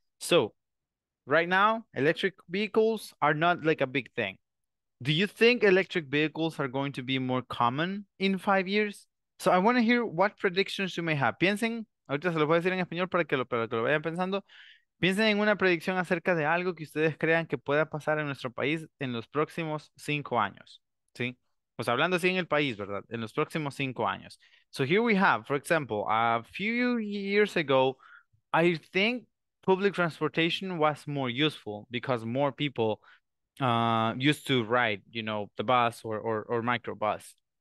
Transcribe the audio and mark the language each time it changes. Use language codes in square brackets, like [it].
[en] So right now, electric vehicles are not like a big thing. Do you think electric vehicles are going to be more common in 5 years? So I want to hear what predictions you may have. [es] Piensen, ahorita se lo voy a decir en español para que lo vayan pensando. Piensen en una predicción acerca de algo que ustedes crean que pueda pasar en nuestro país en los próximos 5 años. ¿Sí? Pues hablando así en el país, ¿verdad? En los próximos 5 años. [en] So here we have, for example, a few years ago, I think public transportation was more useful because more people used to ride, you know, the bus or microbus.